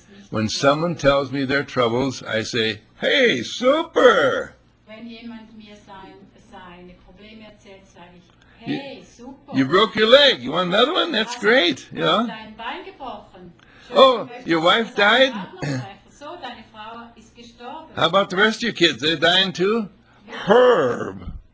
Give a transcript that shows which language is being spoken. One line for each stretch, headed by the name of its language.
English: when someone tells me their troubles, I say, hey, super!
German: When jemand mir seine Probleme erzählt, sage ich, hey, super!
English: You broke your leg. You want another one? That's great. Yeah.
German: Dein Bein gebrochen.
English: Oh, your wife died?
German: So, deine Frau ist gestorben.
English: How about the rest of your kids? They're dying too? Herb!